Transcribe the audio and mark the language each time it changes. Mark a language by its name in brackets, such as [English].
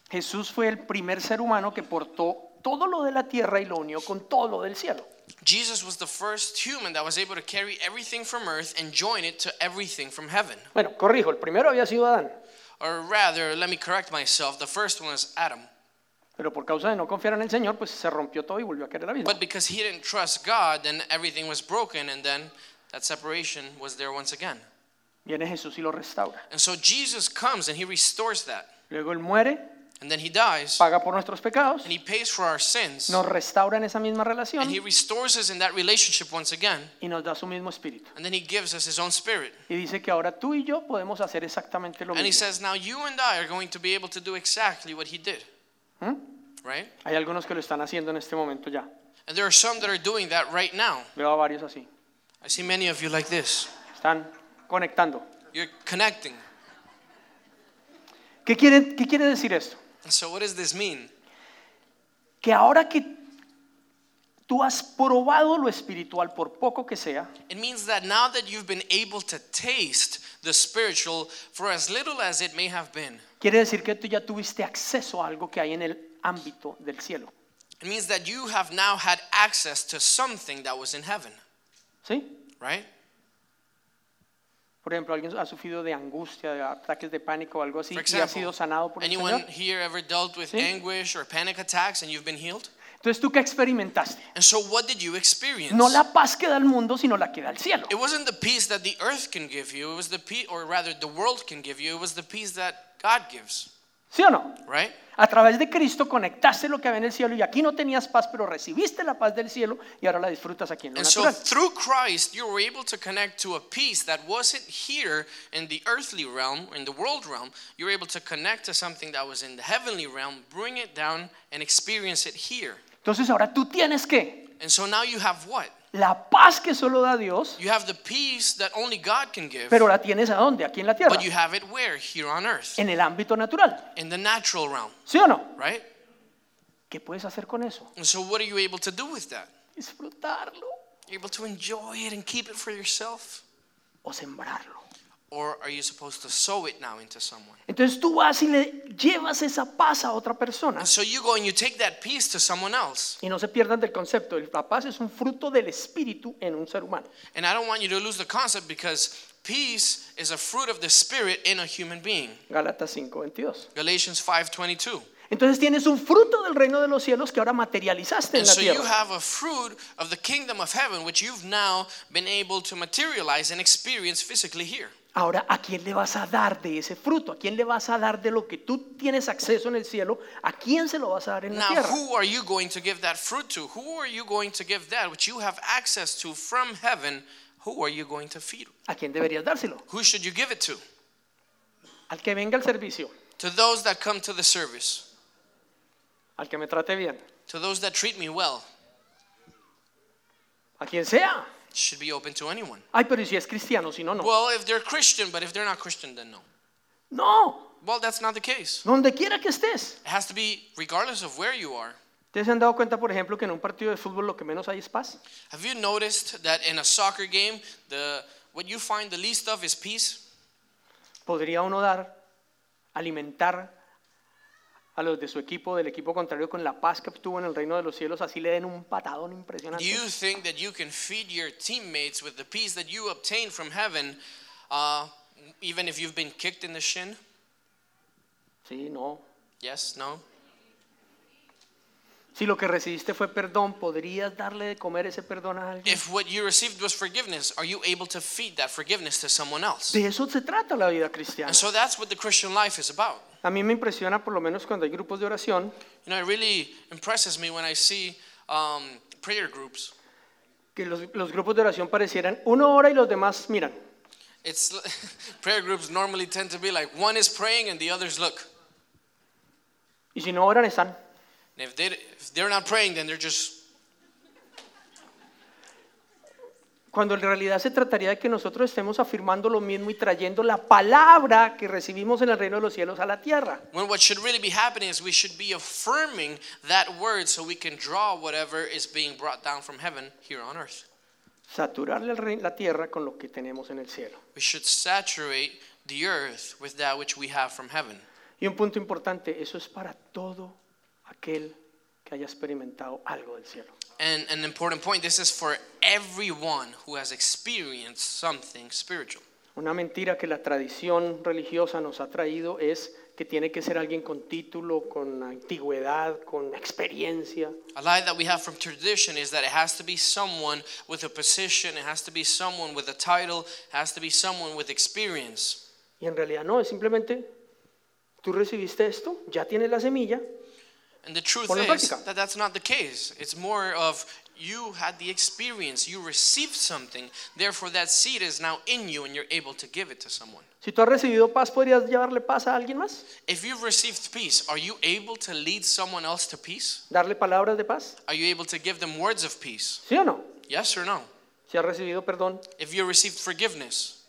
[Spanish] Jesús fue el primer ser humano que portó todo lo de la tierra y lo unió con todo lo del cielo. [English] Jesus was the first human that was able to carry everything from earth and join it to everything from heaven. [Spanish] Bueno, corrijo, el primero había sido Adán. [English] Or rather, let me correct myself, the first one was Adam. [Spanish] Pero por causa de no confiar en el Señor, pues se rompió todo y volvió a caer al abismo. [English] But because he didn't trust God, then everything was broken and then that separation was there once again. [Spanish] Viene Jesús y lo restaura. [English] And so Jesus comes and he restores that. [Spanish] Luego él muere. [English] And then he dies. [Spanish] Paga por nuestros pecados. [English] And he pays for our sins. [Spanish] Nos restaura en esa misma relación. [English] And he restores us in that relationship once again. [Spanish] Y nos da su mismo espíritu. [English] And then he gives us his own spirit. [Spanish] Y dice que ahora tú y yo podemos hacer exactamente lo [English] mismo. And he says, now you and I are going to be able to do exactly what he did. ¿Mm? Right? [Spanish] Hay algunos que lo están haciendo en este momento ya. [English] And there are some that are doing that right now. [Spanish] Veo a varios así. [English] I see many of you like this. [Spanish] Están conectando. [English] You're connecting. [Spanish] ¿Qué quiere decir esto? [English] So what does this mean? [Spanish] Que ahora que Tú has probado lo espiritual por poco que sea. [English] It means that now that you've been able to taste the spiritual for as little as it may have been. [Spanish] Quiere decir que tú ya tuviste acceso a algo que hay en el ámbito del cielo. [English] It means that you have now had access to something that was in heaven. [Spanish] ¿Sí? [English] Right? [Spanish] Por ejemplo, alguien ha sufrido de angustia, de ataques de pánico o algo así, y ha sido sanado por el Señor. [English] Anyone here ever dealt with anguish or panic attacks and you've been healed? [Spanish] Entonces, ¿tú qué experimentaste? [English] And so what did you experience? [Spanish] No la paz que da el mundo, sino la que da el cielo. [English] It wasn't the peace that the earth can give you, it was the peace, or rather the world can give you, it was the peace that God gives. [Spanish] ¿Sí o no? [English] Right? [Spanish] A través de Cristo conectaste lo que había en el cielo y aquí no tenías paz, pero recibiste la paz del cielo y ahora la disfrutas aquí en lo [English] and [Spanish] natural. [English] And so through Christ you were able to connect to a peace that wasn't here in the earthly realm, in the world realm. You were able to connect to something that was in the heavenly realm, bring it down and experience it here. [Spanish] Entonces ahora tú tienes ¿qué? [English] And so now you have what? [Spanish] La paz que solo da Dios. [English] You have the peace that only God can give. [Spanish] Pero la tienes ¿a dónde? Aquí en la tierra. [English] But you have it where? Here on earth. [Spanish] En el ámbito natural. [English] In the natural realm. [Spanish] ¿Sí o no? [English] Right? [Spanish] ¿Qué puedes hacer con eso? [English] And so what are you able to do with that? [Spanish] Disfrutarlo. [English] You're able to enjoy it and keep it for yourself. [Spanish] O sembrarlo. [English] Or are you supposed to sow it now into someone? [Spanish] Entonces tú vas y le llevas esa paz a otra persona. [English] And so you go and you take that peace to someone else. [Spanish] Y no se pierdan del concepto. La paz es un fruto del espíritu en un ser humano. [English] And I don't want you to lose the concept because peace is a fruit of the spirit in a human being. Galatians 5:22. [Spanish] Entonces tienes un fruto del reino de los cielos que ahora materializaste [English] and [Spanish] en la [English] so [Spanish] tierra. [English] So you have a fruit of the kingdom of heaven which you've now been able to materialize and experience physically here. [Spanish] Ahora, ¿a quién le vas a dar de ese fruto? ¿A quién le vas a dar de lo que tú tienes acceso en el cielo? ¿A quién se lo vas a dar en la tierra? [English] Now, who are you going to give that fruit to? Who are you going to give that which you have access to from heaven? Who are you going to feed? [Spanish] ¿A quién deberías dárselo? [English] Who should you give it to? [Spanish] Al que venga al servicio. [English] To those that come to the service. [Spanish] Al que me trate bien. [English] To those that treat me well. [Spanish] A quien sea. [English] Should be open to anyone. [Spanish] Ay, pero si es cristiano, si no, no. [English] Well, if they're Christian, but if they're not Christian, then no. [Spanish] No. [English] Well, that's not the case. [Spanish] Donde quiera que estés. [English] It has to be regardless of where you are. [Spanish] ¿Te has dado cuenta, por ejemplo, que en un partido de fútbol lo que menos hay es paz? [English] Have you noticed that in a soccer game, what you find the least of is peace? [Spanish] ¿Podría uno dar, alimentar a los de su equipo, del equipo contrario, con la paz que obtuvo en el reino de los cielos, así le den un patadón impresionante? [English] Do you think that you can feed your teammates with the peace that you obtained from heaven, even if you've been kicked in the shin? [Spanish] Sí, no. [English] Yes, no. [Spanish] Si lo que recibiste fue perdón, ¿podrías darle de comer ese perdón a alguien? [English] If what you received was forgiveness, are you able to feed that forgiveness to someone else? [Spanish] De eso se trata la vida cristiana. [English] And so that's what the Christian life is about. [Spanish] A mí me impresiona por lo menos cuando hay grupos de oración. [English] You know, it really impresses me when I see prayer groups. [Spanish] Que los grupos de oración parecieran uno ora y los demás miran. [English] It's prayer groups normally tend to be like one is praying and the others look. [Spanish] Y si no oran están. [English] And if they're not praying then they're just. [Spanish] Cuando en realidad se trataría de que nosotros estemos afirmando lo mismo y trayendo la palabra que recibimos en el reino de los cielos a la tierra. [English] When what should really be happening is we should be affirming that word so we can draw whatever is being brought down from heaven here on earth. [Spanish] Saturar la tierra con lo que tenemos en el cielo. [English] We should saturate the earth with that which we have from heaven. [Spanish] Y un punto importante, eso es para todo aquel que haya experimentado algo del cielo. [English] And an important point, this is for everyone who has experienced something spiritual. [Spanish] Una mentira que la tradición religiosa nos ha traído es que tiene que ser alguien con título, con antigüedad, con experiencia. [English] A lie that we have from tradition is that it has to be someone with a position, it has to be someone with a title, it has to be someone with experience. [Spanish] Y en realidad no, es simplemente, tú recibiste esto, ya tienes la semilla. [English] And the truth is that that's not the case. It's more of you had the experience, you received something, therefore that seed is now in you and you're able to give it to someone. [Spanish] Si tú has recibido paz, ¿podrías llevarle paz a alguien más? [English] If you've received peace, are you able to lead someone else to peace? [Spanish] ¿Darle palabras de paz? [English] Are you able to give them words of peace? [Spanish] ¿Sí o no? [English] Yes or no? [Spanish] Si has recibido perdón. [English] If you received forgiveness.